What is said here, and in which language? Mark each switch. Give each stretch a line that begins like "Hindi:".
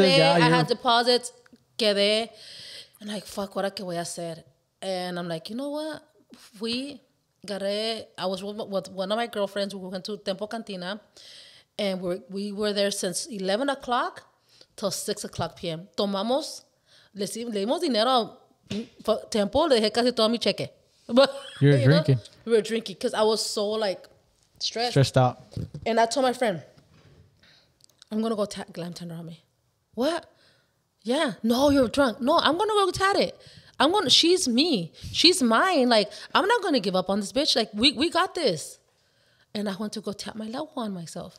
English: I had deposits,
Spanish: quedé.
English: I'm like, fuck, what
Spanish: que voy a hacer?
English: And I'm like, you know what? I was with one of my girlfriends. We went to Tempo Cantina. And we were there since 11 o'clock till 6 o'clock p.m.
Spanish: Tomamos, le dimos dinero a Tempo, le dejé casi todo mi cheque.
English: You're drinking. We were drinking because I was so, like, stressed. Stressed out. And I told my friend, I'm going to go tat Glamtender on me. What? Yeah. No, you're drunk. No, I'm going to go tat it. She's me. She's mine. Like, I'm not going to give up on this bitch. Like, we got this. And I went to go tat my level on myself.